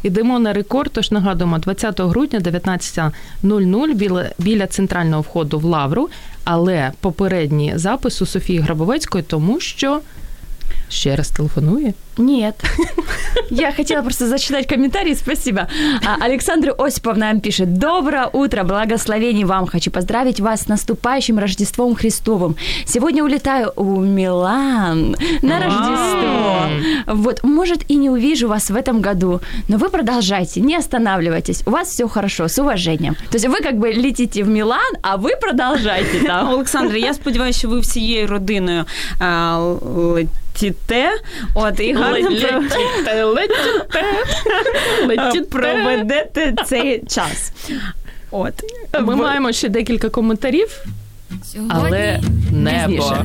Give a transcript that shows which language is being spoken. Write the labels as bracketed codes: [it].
[uk] Ідемо на рекорд, тож нагадуємо, 20 грудня, 19:00, біля центрального входу в Лавру. Але попередній запис у Софії Грабовецької, тому що... Ще раз телефонує? Ні. Я хотіла просто зачитати коментарі, [ru] спасибо. [uk] Олександр Осипов нам пише: [ru] «Доброе утро, [uk] благословений вам. [ru] Хочу поздравить вас с наступающим Рождеством Христовым. Сегодня улетаю в Милан на Рождество. Вот, может, и не увижу вас в этом году, но вы продолжайте, не останавливайтесь. У вас все хорошо, с уважением». То есть вы как бы летите в Милан, а вы продолжайте там. [uk] Олександр, я сподіваюся, що ви всією родиною летите. От, і Летіте. Проведете цей час. От. Ми маємо ще декілька коментарів. Але небо.